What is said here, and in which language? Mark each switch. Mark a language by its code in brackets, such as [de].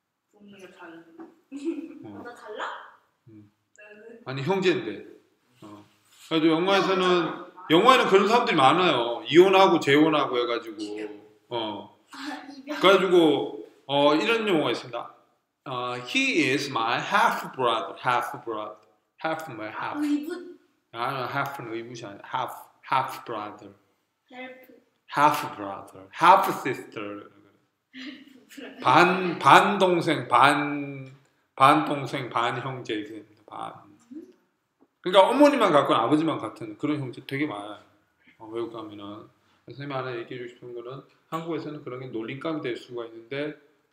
[ko] 부모님이 다른. 나 달라? 나는 아니 형제인데. 그래도 영화에서는 영화에는 그런 사람들이 많아요. 이혼하고 재혼하고 해가지고 그래가지고 이런 용어가 있습니다. [en] He is my half brother, half brother, half my half. [ko] 의붓. 아, half는 의붓이 아니라 [en] half, half brother. Half. Half brother, half sister. [ko] 반 반 동생 반 반 동생 반 형제 이렇게 반. 그러니까 어머니만 같건 아버지만 같은 그런 형제 되게 많아요. 외국 가면은 선생님 하나 얘기해 주시는 거는 한국에서는 그런 게 놀림감이 될 수가 있는데.